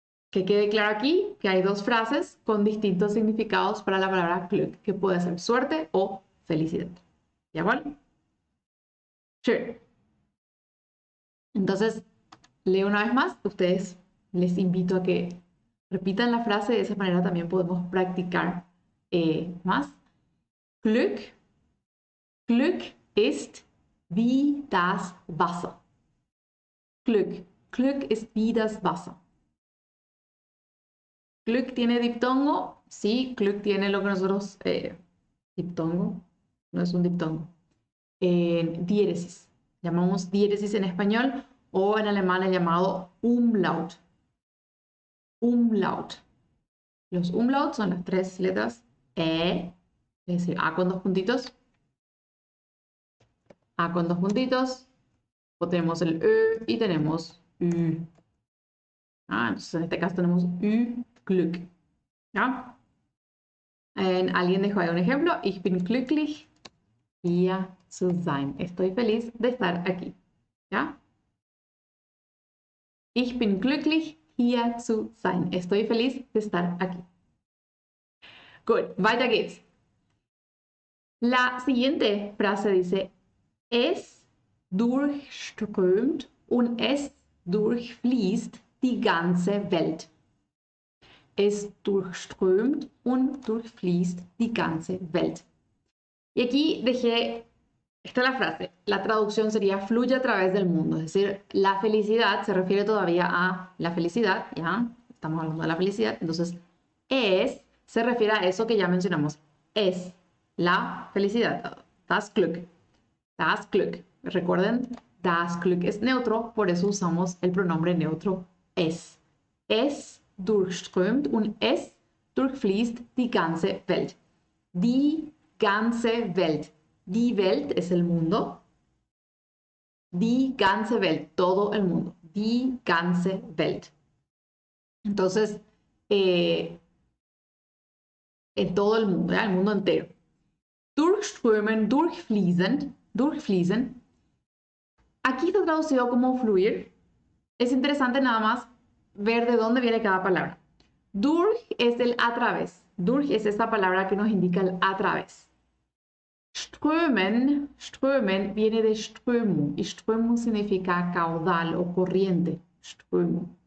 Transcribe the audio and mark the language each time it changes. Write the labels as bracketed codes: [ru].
[es] Que quede claro aquí que hay dos frases con distintos significados para la palabra Glück, que puede ser suerte o felicidad. ¿Ya bueno? Sure. Entonces, leo una vez más. Ustedes les invito a que repitan la frase. De esa manera también podemos practicar más. [de] Glück. Glück ist wie das Wasser. Glück. Glück ist wie das Wasser. [es] Glück tiene diptongo. Sí, Glück tiene lo que nosotros. Diptongo. No es un diptongo. Diéresis. Llamamos diéresis en español. O en alemán es llamado Umlaut. Umlaut. Los Umlaut son las tres letras E, es decir, A con dos puntitos. A con dos puntitos. O tenemos el Ö y tenemos Ü. Ah, entonces en este caso tenemos Ü, Glück. ¿Ya? Alguien dejó ahí un ejemplo. [de] Ich bin glücklich, hier zu sein. [es] Estoy feliz de estar aquí. ¿Ya? [de] Ich bin glücklich, hier zu sein. [es] Estoy feliz de estar aquí. [en] Good, [de] weiter geht's. [es] La siguiente frase dice: [de] Es durchströmt und es durchfließt die ganze Welt. Es durchströmt und durchfließt die ganze Welt. [es] Y aquí dejé. Esta es la frase. La traducción sería fluye a través del mundo. Es decir, la felicidad se refiere todavía a la felicidad, ¿ya? Estamos hablando de la felicidad. Entonces, es se refiere a eso que ya mencionamos. Es la felicidad. [de] Das Glück. Das Glück. [es] Recuerden, das Glück es neutro, por eso usamos el pronombre neutro es. [de] Es durchströmt und es durchfließt die ganze Welt. Die ganze Welt. Die Welt [es] es el mundo. [de] Die ganze Welt, [es] todo el mundo. [de] Die ganze Welt. [es] Entonces, en todo el mundo, ¿ya? El mundo entero. [de] Durchströmen, durchfließen, durchfließen. [es] Aquí está traducido como fluir. Es interesante nada más ver de dónde viene cada palabra. Durch es el a través. Durch es esta palabra que nos indica el a través. Strömen, strömen viene de strömung y strömung significa caudal o corriente. Strömung.